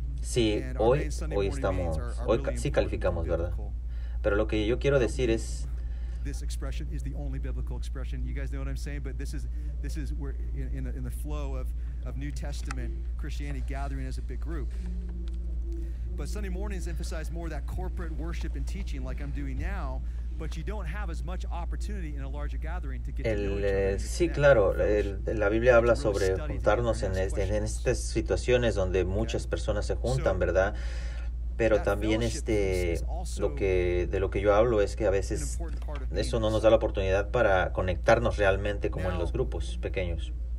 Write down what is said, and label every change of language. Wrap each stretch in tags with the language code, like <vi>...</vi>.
<es>Sí, hoy estamos, hoy sí calificamos, ¿verdad? Pero lo que yo quiero decir es,</es> <en>this expression is the only biblical expression. You guys know what I'm saying, but this is we're in the flow of New Testament Christianity gathering as a big group. But Sunday mornings emphasize more that corporate worship and teaching like I'm doing now, but you don't have as much opportunity in a larger gathering to get</en> <es>sí, claro, la Biblia habla sobre juntarnos en estas situaciones donde muchas personas se juntan, ¿verdad? Pero también lo que yo hablo es que a veces eso no nos da la oportunidad para conectarnos realmente como en los grupos pequeños.</es>